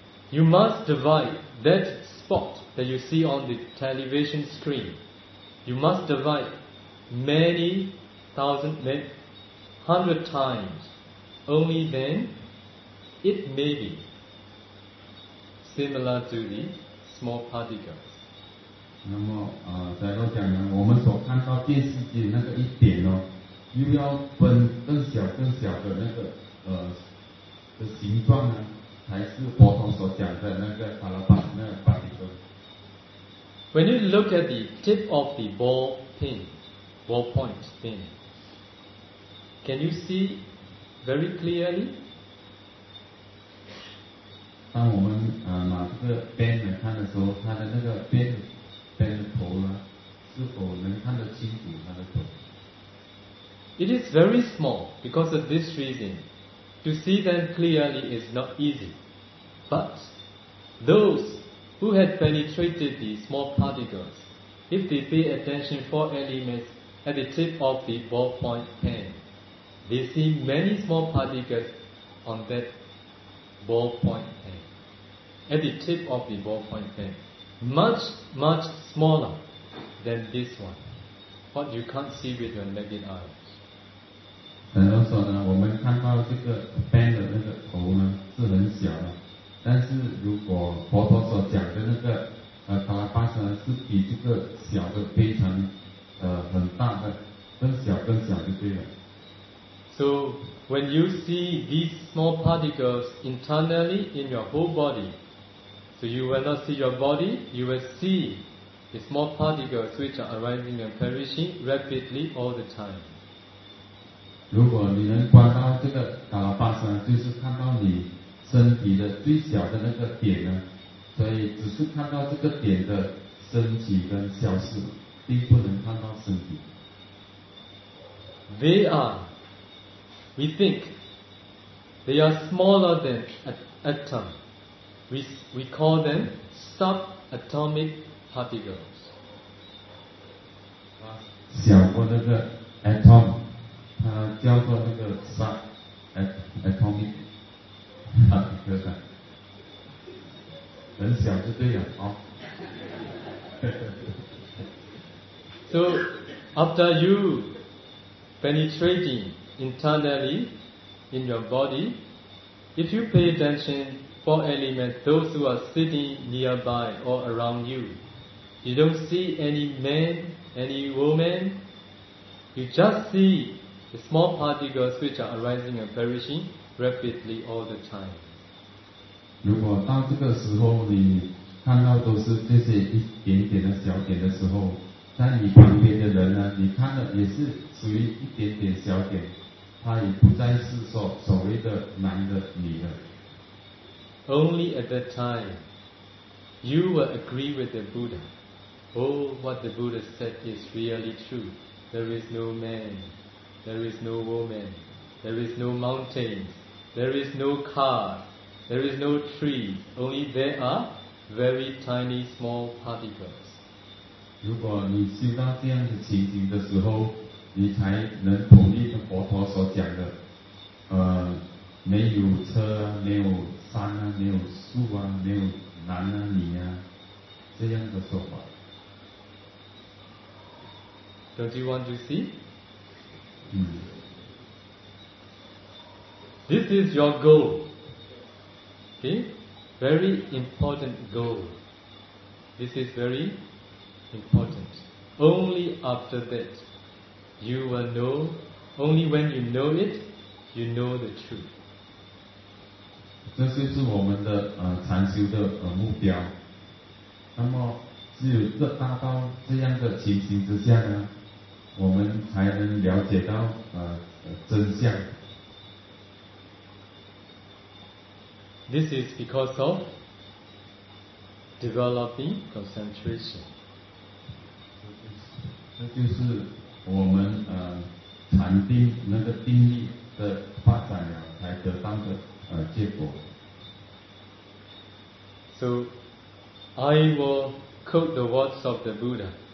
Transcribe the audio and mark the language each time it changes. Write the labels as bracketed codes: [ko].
[en] You must divide that spot that you see on the television screen. You must divide many thousand, many hundred times. Only then it may be similar to the small particle. [zh] 那么，假如讲呢，我们所看到电视机的那个一点哦，又要分更小更小的那个形状呢，才是佛陀所讲的那个巴拉巴那个巴里格。 [en] When you look at the tip of the ball pin, ballpoint pin, can you see very clearly? [zh] 当我们拿这个 pen 来看的时候，它的那个 pen。 [en] It is very small because of this reason. To see them clearly is not easy. But those who had penetrated the small particles, if they pay attention for elements at the tip of the ballpoint pen, they see many small particles on that ballpoint pen. At the tip of the ballpoint pen. Much, much smaller than this one. What you can't see with your naked eyes. [zh] 然后说呢，我们看到这个 pen 的那个头呢是很小的，但是如果佛陀所讲的那个卡拉巴是比这个小的非常很大的更小。 [en] sphere. So when you see these small particles internally in your whole body, so you will not see your body, you will see the small particles which are arising and perishing rapidly all the time. [zh] 如果你能观到这个卡拉巴山，就是看到你身体的最小的那个点呢，所以只是看到这个点的升起跟消失，并不能看到身体。 [en] They are, we think, they are smaller than atom. We call them subatomic particles. [zh] 小过那个 atom， 它叫做那个 subatomic particles。很小就对了啊。 [en] So after you penetrating internally in your body, if you pay attention four elements, those who are sitting nearby or around you, you don't see any man, any woman, you just see the small particles which are arising and perishing rapidly all the time. [zh] 如果到这个时候你看到都是这些一点点的小点的时候，在你旁边的人呢，你看的也是属于一点点小点，他也不再是说所谓的男的女的。 [en] Only at that time, you will agree with the Buddha. Oh, what the Buddha said is really true. There is no man, there is no woman, there is no mountains, there is no car. There is no tree, only there are very tiny small particles. [zh] 如果你修到这样的情形的时候，你才能同意佛陀所讲的，没有车，没有山啊，没有树啊，没有男啊，女啊，这样的说法。 [en] Don't you want to see? This is your goal. Okay, very important goal. This is very important. Only after that, you will know, only when you know it, you know the truth. [zh] 这就是我们的禅修的目标。那么只有这达到这样的情形之下呢，我们才能了解到真相。 [en] This is because of developing concentration. [zh] 那就是我们禅定那个定力的发展了，才得到的结果。 [en] So, I will quote the words of the Buddha.